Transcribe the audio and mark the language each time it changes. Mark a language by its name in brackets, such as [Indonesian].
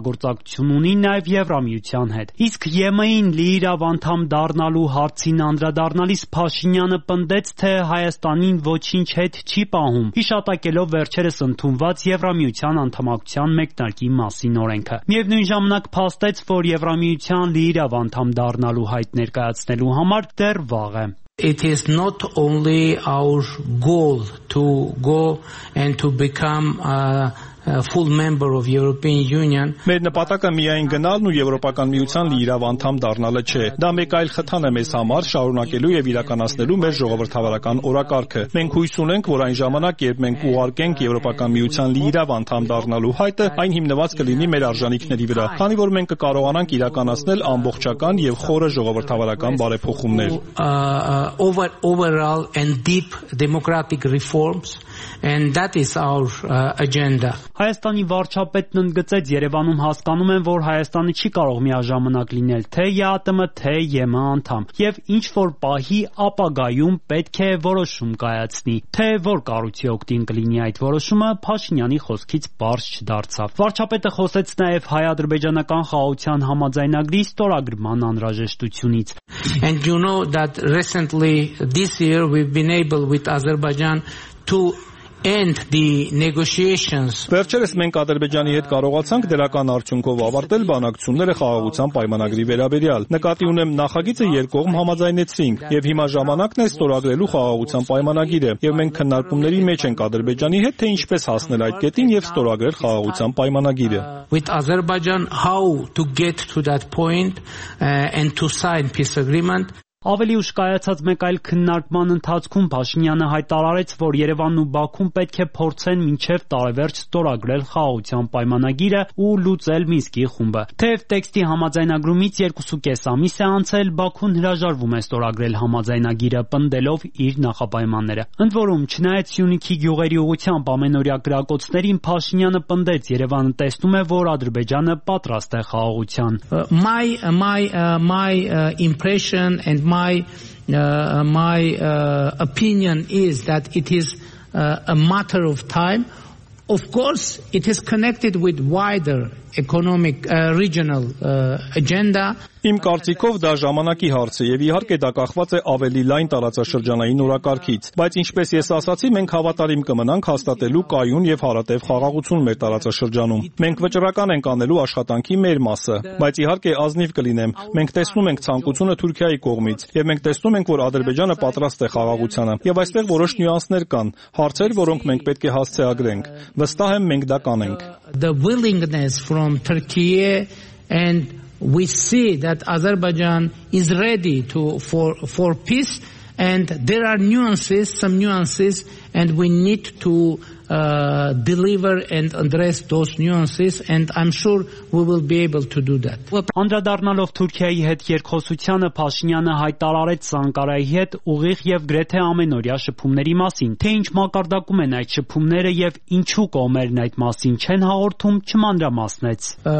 [Armenian] համագործակցություն ունի նաև Եվրամիության հետ։ Իսկ ԵՄ-ին լիիրավ անդամ դառնալու հարցին անդրադառնալիս Փաշինյանը պնդեց, թե Հայաստանին ոչինչ հետ չի պահում, հիշատակելով վերջերս ընդունված Եվրամիության անդամակցության մեկնարկի մասին օրենքը։ Միևնույն ժամանակ փաստեց, որ Եվրամիության լիիրավ անդամ առնալու հայտ ներկայացնելու համար դեռ վաղ է։ [English] It is not only our goal to go and to become a full member of European Union. [Armenian] Մեր նպատակը միայն գնալն ու Եվրոպական միության լիիրավ անդամ դառնալը չէ։ Դա մեկ այլ խթան է մեզ համար շարունակելու եւ իրականացնելու մեր ժողովրդավարական օրակարգը։ Մենք հույս ունենք, որ այն ժամանակ, երբ մենք ուղարկենք Եվրոպական միության լիիրավ անդամ դառնալու հայտը, այն հիմնված կլինի մեր արժանիքների վրա, քանի որ մենք կկարողանանք իրականացնել ամբողջական եւ խորը ժողովրդավարական բարեփոխումներ. [English] Overall and deep democratic reforms. And that is our agenda. [Armenian] Հայաստանի վարչապետն ընդգծեց, Երևանում հասկանում են, որ Հայաստանը չի կարող միաժամանակ լինել թե ԵԱՏՄ, թե ԵՄ անդամ, եւ ինչ որ պահի ապագայում պետք է որոշում կայացնի, թե որ կարուցի օգտին կլինի այդ որոշումը, Փաշինյանի խոսքից բարձ չդարձավ։ Վարչապետը խոսեց նաեւ հայ-ադրբեջանական խաղաղության համաձայնագրի ստորագրման անհրաժեշտությունից. [English] And you know that recently this year we've been able with Azerbaijan to end the negotiations. [Armenian] Վերջերս մենք Ադրբեջանի հետ կարողացանք դրական արդյունքով ավարտել բանակցությունները խաղաղության պայմանագրի վերաբերյալ։ Նկատի ունեմ, նախագիծը երկկողմ համաձայնեցրինք, եւ հիմա ժամանակն է ստորագրելու խաղաղության պայմանագիրը, եւ մենք քննարկումների մեջ ենք Ադրբեջանի հետ, թե ինչպես հասնել այդ կետին եւ ստորագրել խաղաղության պայմանագիրը։ [English] With Azerbaijan how to get to that point and to sign peace agreement. [Armenian] Ավելի ուշ կայացած մեկ այլ քննարկման ընթացքում Փաշինյանը հայտարարեց, որ Երևանն ու Բաքուն պետք է փորձեն մինչև տարեվերջ ստորագրել խաղաղության պայմանագիրը ու լուծել Մինսկի խումբը։ Թեև տեքստի համաձայնագրումից 2.5 ամիս է անցել, Բաքուն հրաժարվում է ստորագրել համաձայնագիրը, պնդելով իր նախապայմանները։ Ընդ որում, չնայած Սյունիքի գյուղերի ուղությամբ ամենօրյա կրակոցներին, Փաշինյանը պնդեց, Երևանը տեսնում է, որ Ադրբեջանը պատրաստ է խաղաղության։ [English] My impression and my opinion is that it is a matter of time Of course, it is connected with wider economic regional agenda. [Armenian] Իմ կարծիքով դա ժամանակի հարց է եւ իհարկե դա կախված է ավելի լայն տարածաշրջանային նորակարգից, բայց ինչպես ես ասացի, մենք հավատարիմ կմնանք հաստատելու կայուն եւ հարատեւ խաղաղություն մեր տարածաշրջանում։ Մենք վճռական ենք անելու աշխատանքի մեր մասը, բայց իհարկե ազնիվ կլինեմ։ Մենք տեսնում ենք ցանկությունը Թուրքիայի կողմից եւ մենք տեսնում ենք, որ Ադրբեջանը պատրաստ է խաղաղությանը եւ այստեղ որոշ նյուանսներ կան, հարցեր, որոնք մենք պետք է հասցեագրենք։ Վստահ եմ, մենք դա կանենք։ [English] The willingness from Turkey and we see that Azerbaijan is ready to for peace and there are nuances some nuances and we need to deliver and address those nuances and I'm sure we will be able to do that. [Armenian] Անդրադառնալով Թուրքիայի հետ երկխոսությանը Փաշինյանը հայտարարեց Սանկարայի հետ ուղիղ եւ գրեթե ամենօրյա շփումների մասին, թե ինչ մակարդակում են այդ շփումները եւ ինչու կողմերն այդ մասին չեն հաղորդում, չմանրամասնեց։